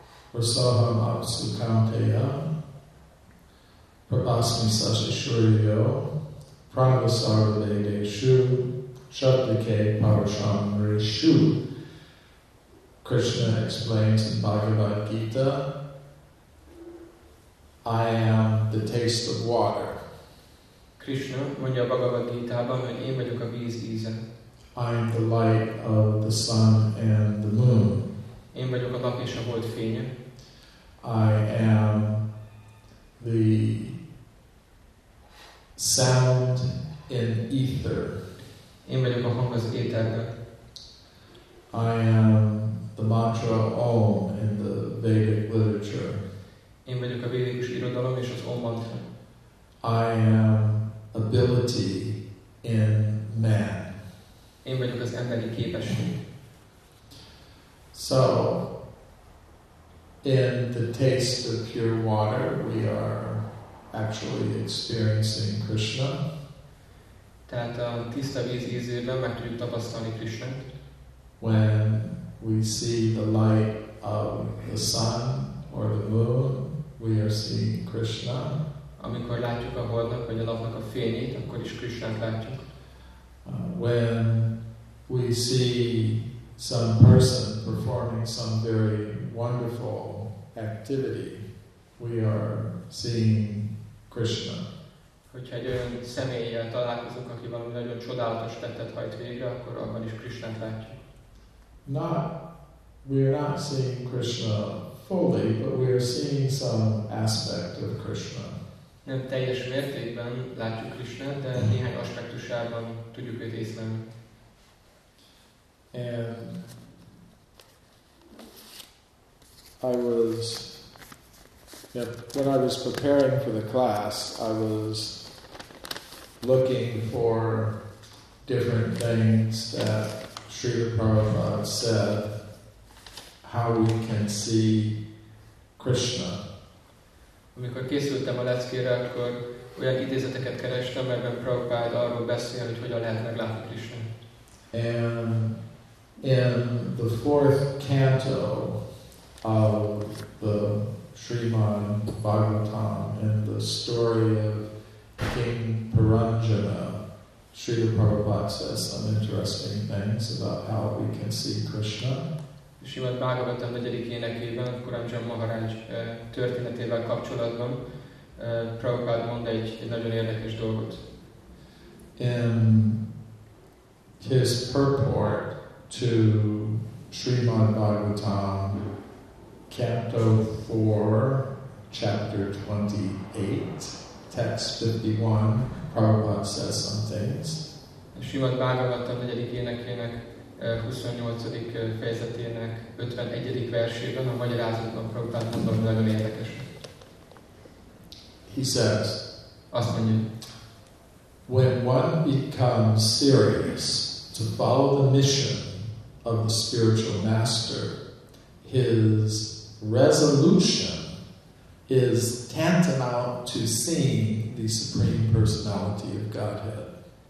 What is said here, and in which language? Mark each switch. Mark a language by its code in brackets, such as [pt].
[sa] Prasaham Apsukanteya, Prabhasmi Sashashuryo, Pranavasara Vede Shu, Shabdike Parasham Rishu. [en] Krishna explains in Bhagavad Gita, I am the taste of water. [hu] Krishna mondja a Bhagavad Gita-ban, hogy én vagyok a víz íze. [en] I am the light of the sun and the moon. [hu] Én vagyok a nap és a hold fénye. [en] I am the sound in ether. [hu] Én vagyok a hang az éterben. [en] I am the mantra Om in the Vedic literature. [hu] Én vagyok a védikus irodalom és az Om mantra. [en] I am ability in man. [hu] Én vagyok az emberi képesség. [en] So, in the taste of pure water, we are actually experiencing Krishna. [hu] Tehát a tiszta víz ízében meg tudjuk tapasztalni Krishnát. [en] When we see the light of the sun or the moon, we are seeing Krishna. [hu] Amikor látjuk a holdnak vagy a napnak a fényét, akkor is Krishnát látjuk. [en] When we see some person performing some very wonderful activity, we are seeing Krishna. [hu] Hogyha egy olyan személlyel találkozunk, aki valami nagyon csodálatos tettet hajt végre, akkor abban is Krishnát látjuk. [en] We are not seeing Krishna fully, but we are seeing some aspect of Krishna. [hu] Nem teljes mértékben látjuk Krishnát, de néhány aspektusában tudjuk őt észlelni. [en] And I was, when I was preparing for the class, I was looking for different things that Srila Prabhupada said, how we can see Krishna. [hu] Amikor készültem a leckére, akkor olyan idézeteket kerestem, melyben Prabhupada arról beszél, hogy hogyan lehet meglátni Krishna. [en] And in the fourth canto of the Srimad Bhagavatam, in the story of King Paranjana, Srila Prabhupada says some interesting things about how we can see Krishna. [hu] Srimad Bhagavatam 4. énekében, Kuramjan Maharaj történetével kapcsolatban, Prabhupada mond egy nagyon érdekes dolgot. [en] In his purport to Srimad Bhagavatam, Canto 4, Chapter 28, Text 51, Prabhupada says some things. [hu] Srimad Bhagavatam 4. énekének 28. fejezetének 51. versében a magyarázatban Prabhupada mondta, hogy nagyon érdekes. [en] He says, [hu] azt mondja, [en] when one becomes serious to follow the mission of the spiritual master, his resolution is tantamount to seeing the Supreme Personality of Godhead.